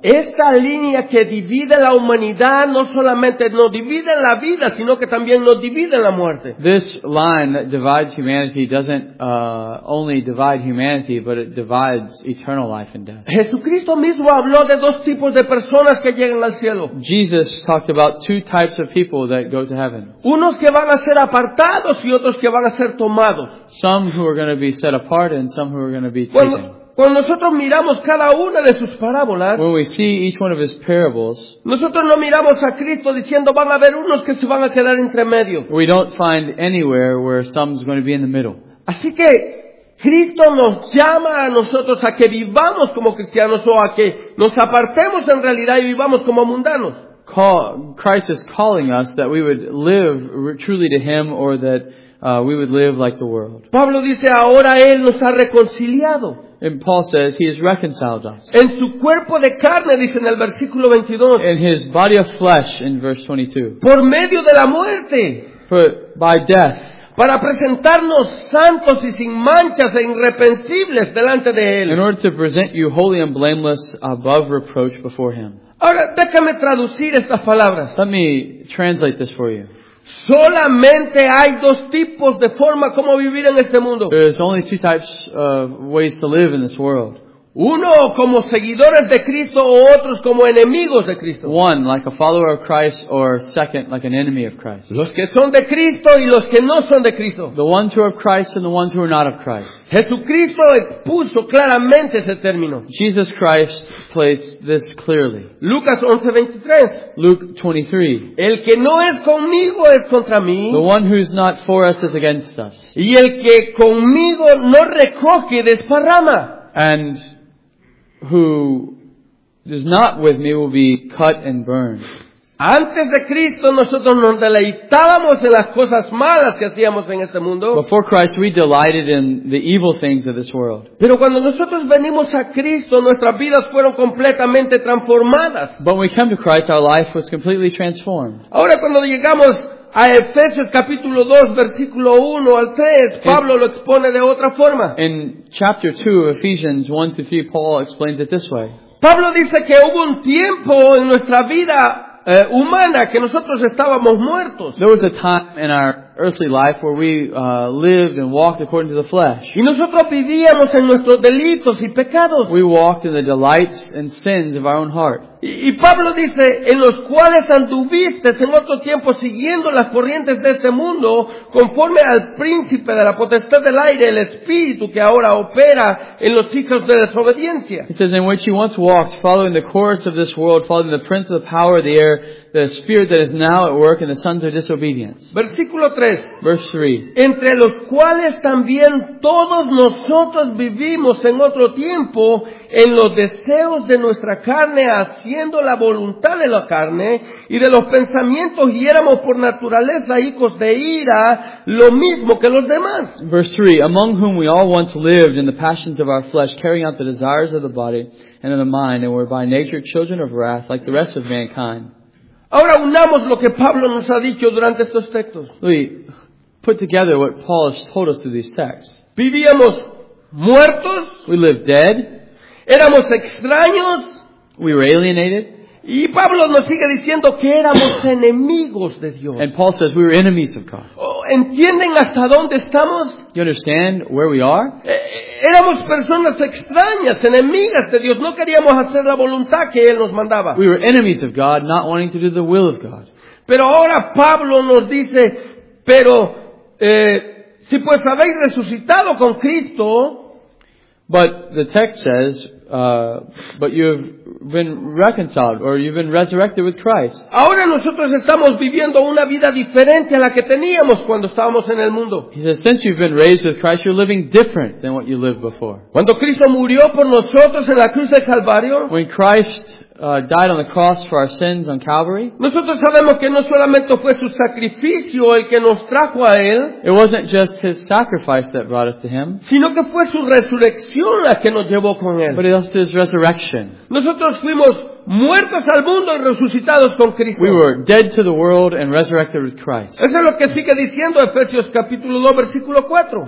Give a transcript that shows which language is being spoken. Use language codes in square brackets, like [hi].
[es] Esta línea que divide la humanidad no solamente nos divide la vida, sino que también nos divide la muerte. [en] This line that divides humanity doesn't only divide humanity, but it divides eternal life and death. [es] Jesucristo mismo habló de dos tipos de personas que llegan al cielo. [en] Jesus talked about two types of people that go to heaven. [es] Unos que van a ser apartados y otros que van a ser [en] some who are going to be set apart and some who are going to be taken. [es] Cuando nosotros miramos cada una de sus parábolas, [en] when we see each one of his parables, [es] nosotros no miramos a Cristo diciendo van a haber unos que se van a quedar entre medio. [en] We don't find anywhere where some's going to be in the middle. [es] Así que Cristo nos llama a nosotros a que vivamos como cristianos o a que nos apartemos en realidad y vivamos como mundanos. [en] Christ is calling us that we would live truly to him, or that we would live like the world. [es] Pablo dice, ahora él nos ha reconciliado. [en] And Paul says, he has reconciled us. [es] En su cuerpo de carne, dice en el versículo 22. [en] In his body of flesh, in verse 22. [es] Por medio de la muerte. [en] By death. [es] Para presentarnos santos y sin manchas e irreprensibles delante de él. [en] In order to present you holy and blameless above reproach before him. [es] Ahora, déjame traducir estas palabras. [en] Let me translate this for you. [es] Solamente hay dos tipos de forma como vivir en este mundo. [en] There is only two types of ways to live in this world. [es] Uno como seguidores de Cristo o otros como enemigos de Cristo. [en] One, like a follower of Christ, or second, like an enemy of Christ. [es] Los que son de Cristo y los que no son de Cristo. [en] The ones who are of Christ and the ones who are not of Christ. [es] Jesucristo puso claramente ese término. [en] Jesus Christ placed this clearly. [es] Lucas 11:23. [en] Luke 23. [es] El que no es conmigo es contra mí. [en] The one who is not for us is against us. [es] Y el que conmigo no recoge desparrama. [en] And who is not with me will be cut and burned. [es] Antes de Cristo, nosotros nos deleitábamos en las cosas malas que hacíamos en este mundo. [en] Before Christ, we delighted in the evil things of this world. [es] Pero cuando nosotros venimos a Cristo, nuestras vidas fueron completamente transformadas. [en] But when we came to Christ, our life was completely transformed. [es] Ahora cuando llegamos a Efesios capítulo 2, versículo 1 al 3, Pablo lo expone de otra forma. [en] In chapter 2 of Ephesians 1 to 3, Paul explains it this way. [es] Pablo dice que hubo un tiempo en nuestra vida humana que nosotros estábamos muertos. [en] There was a time in our earthly life where we lived and walked according to the flesh. [es] Y nosotros vivíamos en nuestros delitos y pecados. [en] We walked in the delights and sins of our own heart. [es] Y Pablo dice, en los cuales anduviste en otro tiempo siguiendo las corrientes de este mundo, conforme al príncipe de la potestad del aire, el espíritu que ahora opera en los hijos de desobediencia. [en] He says, in which you once walked, following the course of this world, following the prince of the power of the air, the spirit that is now at work in the sons of disobedience. [es] Versículo 3. [en] Verse 3. [es] Entre los cuales también todos nosotros vivimos en otro tiempo, en los deseos de nuestra carne, haciendo la voluntad de la carne y de los pensamientos, y éramos por naturaleza hijos de ira, lo mismo que los demás. [en] Verse 3. Among whom we all once lived in the passions of our flesh, carrying out the desires of the body and of the mind, and were by nature children of wrath, like the rest of mankind. [es] Ahora unamos lo que Pablo nos ha dicho durante estos textos. [en] We put together what Paul has told us through these texts. [es] Vivíamos muertos. [en] We lived dead. [es] Éramos extraños. [en] We were alienated. [es] Y Pablo nos sigue diciendo que éramos enemigos de Dios. [en] And Paul says we were enemies of God. [es] ¿Entienden hasta dónde estamos? [en] You understand where we are? [es] Éramos personas extrañas, enemigas de Dios. No queríamos hacer la voluntad que Él nos mandaba. [en] We were enemies of God, not wanting to do the will of God. [es] Pero ahora Pablo nos dice, pero si pues habéis resucitado con Cristo. [en] But the text says, but you've been reconciled, or you've been resurrected with Christ. [es] Ahora nosotros estamos viviendo una vida diferente a la que teníamos cuando estábamos en el mundo. [en] He says, since you've been raised with Christ, you're living different than what you lived before. [es] Cuando Cristo murió por nosotros en la cruz del Calvario. [en] When Christ died on the cross for our sins on Calvary. [es] Nosotros sabemos que no solamente fue su sacrificio el que nos trajo a él. [en] It wasn't just his sacrifice that brought us to him. [es] Sino que fue su resurrección la que nos llevó con él. [en] But it was his resurrection. [es] Nosotros fuimos muertos al mundo y resucitados con Cristo. [en] We were dead to the world and resurrected with Christ. [es] Eso es lo que sigue diciendo Efesios capítulo 2 versículo 4.